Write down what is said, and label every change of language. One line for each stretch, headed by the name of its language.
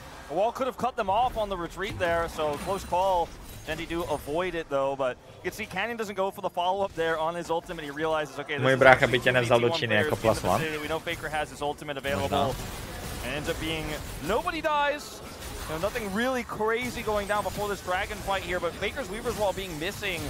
English: A wall could have cut them off on the retreat there, so close call. Gen.G do avoid it though, but you can see Canyon doesn't go for the follow-up there on his ultimate. He realizes, okay, this
Czech: můj brácha by tě nevzal do Číny jako plus one.
English: We know Faker has his ultimate available. And ends up being nobody dies. No, nothing really crazy going down before this dragon fight here, but Faker's Weaver's Wall being missing.